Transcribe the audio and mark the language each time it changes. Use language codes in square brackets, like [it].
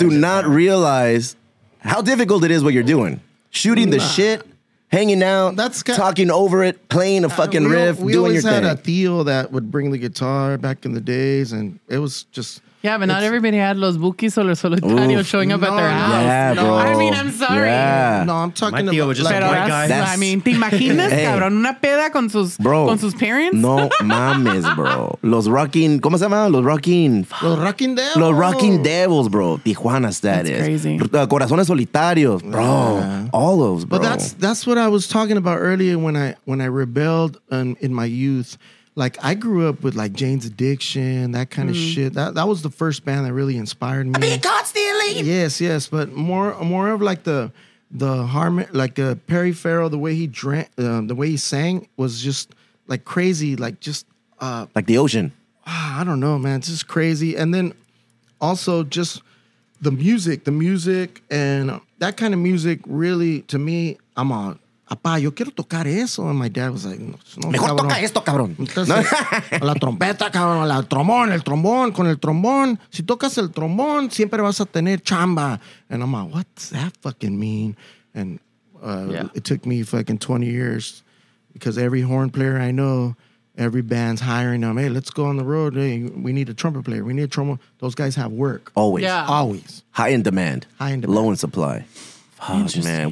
[en] People do not realize how difficult it is what you're doing. Shooting the shit, hanging out, talking over it, playing a fucking riff, doing your thing. We always had a Theo that would bring the guitar back in the days, and it was just... Yeah, but not everybody had Los Bukis or Los Solitarios showing up at their house. Yeah, bro. I mean, I'm sorry. Yeah. No, I'm talking about... My Theo was just like, a white guy. I mean, [es] ¿te imaginas, cabrón, una peda con sus [en] parents? [es] No mames, bro. Los Rocking... ¿Cómo se llama? Los Rocking... Los Rocking Devils. [en] Los Rocking Devils, bro. Tijuana status. That's crazy. Corazones Solitarios, bro. Yeah. All those, bro. But that's what I was talking about earlier when I rebelled in my youth. Like, I grew up with, like, Jane's Addiction, that kind of shit. That was the first band that really inspired me. I mean, constantly. Yes, yes. But more of, like, the harmony, like, Perry Farrell, the way he drank, the way he sang was just, like, crazy. Like, just... like the ocean. I don't know, man. It's just crazy. And then also just the music and that kind of music really, to me, I'm a... [es] Papá, yo quiero tocar eso. [en] And my dad was like, no, [es] mejor cabrón. Toca esto, cabrón. Entonces, no. La trompeta, cabrón, la trombón, el trombón, con el trombón. Si tocas el trombón, siempre vas a tener chamba. [en] And I'm like, what does that fucking mean? And it took me fucking 20 years because every horn player I know, every band's hiring them. Hey, let's go on the road. Hey, we need a trumpet player. We need a trombone. Those guys have work. Always. Yeah. Always. High in demand. Low in supply. Oh, man.